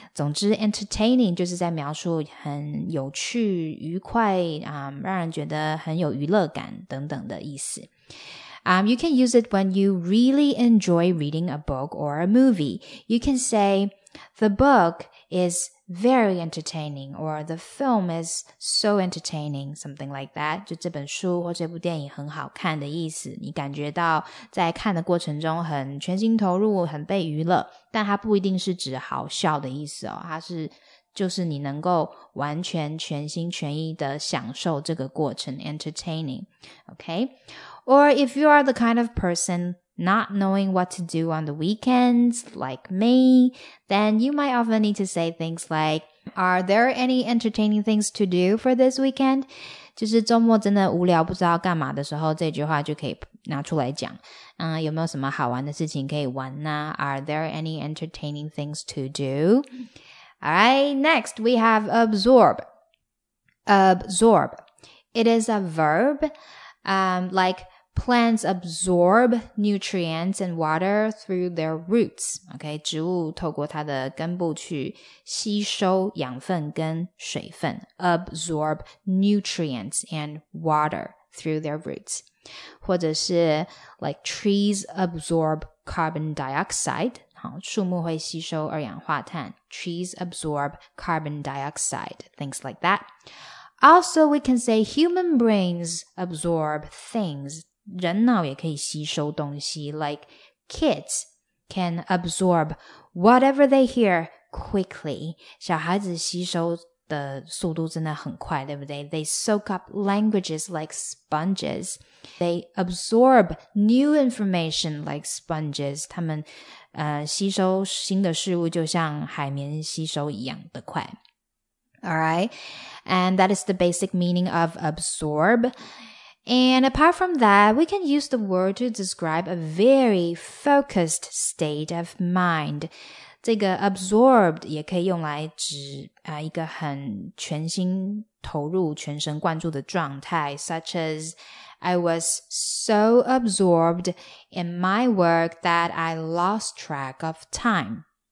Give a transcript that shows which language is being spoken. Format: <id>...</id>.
<zh>总之 entertaining 就是在描述很有趣、愉快、让人觉得很有娱乐感等等的意思。</zh> <en>You can use it when you really enjoy reading a book or a movie. You can say, the book is very entertaining, or the film is so entertaining, something like that.</en> <zh>就这本书或这部电影很好看的意思。你感觉到在看的过程中很全心投入，很被娱乐，但它不一定是指好笑的意思哦。它是就是你能够完全全心全意的享受这个过程 ,entertaining. Okay?</zh> <en>Or if you are the kind of person not knowing what to do on the weekends, like me, then you might often need to say things like, Are there any entertaining things to do for this weekend?</en> <zh>就是周末真的无聊不知道干嘛的时候这句话就可以拿出来讲。有没有什么好玩的事情可以玩呢</zh> <en>Are there any entertaining things to do? Alright, next we have absorb. Absorb. It is a verb. Like Plants absorb nutrients and water through their roots.</en> <zh>Okay, 植物透过它的根部去吸收养分跟水分。</zh> <en>Absorb nutrients and water through their roots.</en> <zh>或者是</zh> <en>like trees absorb carbon dioxide.</en> <zh>好，树木会吸收二氧化碳。</zh> <en>Trees absorb carbon dioxide. Things like that. Also, we can say human brains absorb things.</en> <zh>人脑也可以吸收东西</zh> <en>like kids can absorb whatever they hear quickly.</en> <zh>小孩子吸收的速度真的很快对不对</zh> <en>They soak up languages like sponges. They absorb new information like sponges.</en> <zh>他们、吸收新的事物就像海绵吸收一样的快。</zh> <en>Alright, and that is the basic meaning of absorb. And apart from that, we can use the word to describe a very focused state of mind.</en> <zh>这个 absorbed 也可以用来指、一个很全心投入、全神贯注的状态</zh> <en>such as, I was so absorbed in my work that I lost track of time.</en>